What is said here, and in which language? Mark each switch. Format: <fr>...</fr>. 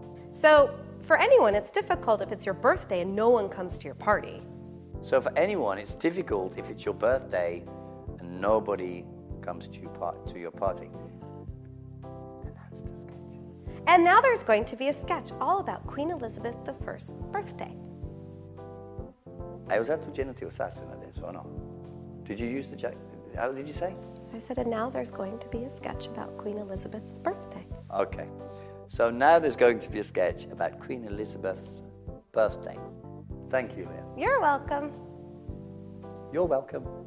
<en>So, for anyone, it's difficult if it's your birthday and no one comes to your party. So, for anyone, it's difficult if it's your birthday and nobody comes to your party. And now there's a sketch. And now there's going to be a sketch all about Queen Elizabeth I's birthday.</en> <it>Hai usato il genitivo sasso adesso, o no?</it> <en>Did you use the... How did you say? I said, and now there's going to be a sketch about Queen Elizabeth's birthday. Okay. So now there's going to be a sketch about Queen Elizabeth's birthday. Thank you, Leah. You're welcome. You're welcome.</en>